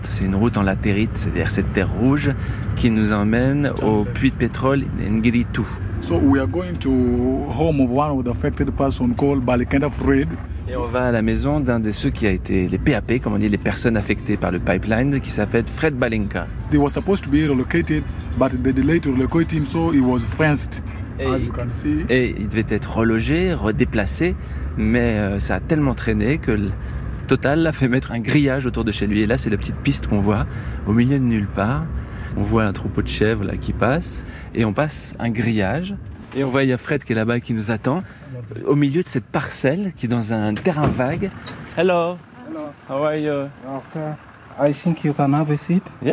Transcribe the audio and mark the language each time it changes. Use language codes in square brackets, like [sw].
[fr] C'est une route en latérite, c'est-à-dire cette terre rouge qui nous emmène au puits de pétrole Ngiritu. [en] So we are going to home of one of the affected person called Balikenda Fred. [fr] Et on va à la maison d'un de ceux qui a été les PAP, comme on dit, les personnes affectées par le pipeline, qui s'appelle Fred Balinka. [en] They were supposed to be relocated, but they delayed to relocate him, so he was fenced, as you can see. [fr] Et il devait être relogé, redéplacé, mais ça a tellement traîné que Total l'a fait mettre un grillage autour de chez lui. Et là, c'est la petite piste qu'on voit au milieu de nulle part. On voit un troupeau de chèvres là qui passe et on passe un grillage et on voit il y a Fred qui est là-bas qui nous attend au milieu de cette parcelle qui est dans un terrain vague. [en] Hello. Hello. How are you? Okay. I think you can have a seat.